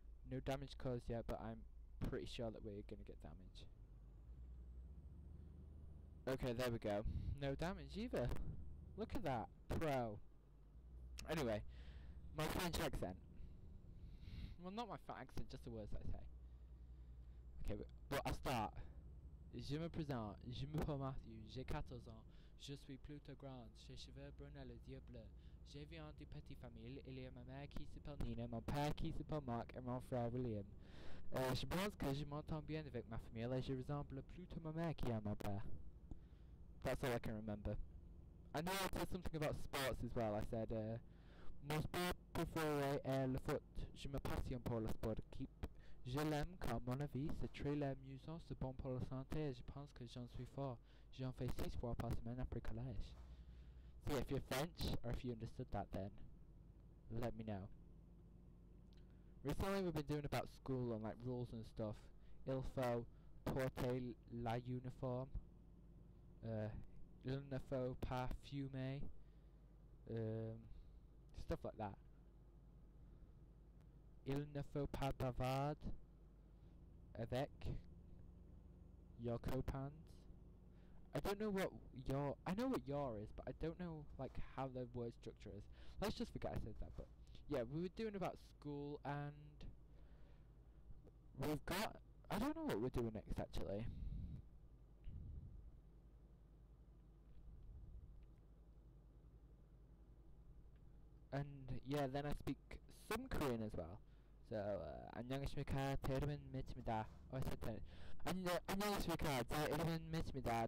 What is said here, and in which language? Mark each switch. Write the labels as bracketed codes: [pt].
[en] No damage caused yet, but I'm pretty sure that we're going to get damage. Okay, there we go. No damage either. Look at that. Pro. Anyway, my French accent. Well, not my French accent, just the words I say. Okay, but I'll start. [fr] Je me présente, je m'appelle Mathieu, j'ai 14 ans, je suis plutôt grande, j'ai cheveux bruns et les yeux bleus. Je viens d'une petite famille, il y a ma mère qui s'appelle Nina, mon père qui s'appelle Marc et mon frère William. Je pense que je m'entends bien avec ma famille et je ressemble plutôt à ma mère qui à mon père. [en] That's all I can remember. I know I said something about sports as well. I said, [fr] mon sport préféré est le foot, je me passionne pour le sport d'équipe. Je l'aime car mon avis c'est très amusant, c'est bon pour la santé et je pense que j'en suis fort. J'en fais 6 fois par semaine après collège. [en] See, if you're French or if you understood that then, let me know. Recently we've been doing about school and like rules and stuff. [fr] Il faut porter la uniforme. Il ne faut pas fumer. [en] Stuff like that. [fr] Il ne faut pas bavarder avec your copains. [en] I don't know what your... I know what your is, but I don't know, like, how the word structure is. Let's just forget I said that, but... Yeah, we were doing about school, and... We've got... I don't know what we're doing next, actually. And, yeah, then I speak some Korean as well. [ko] So, 안녕하십니까, 제 이름은 미츠입니다. 어쨌든, 안녕하십니까, 제 이름은 미츠입니다.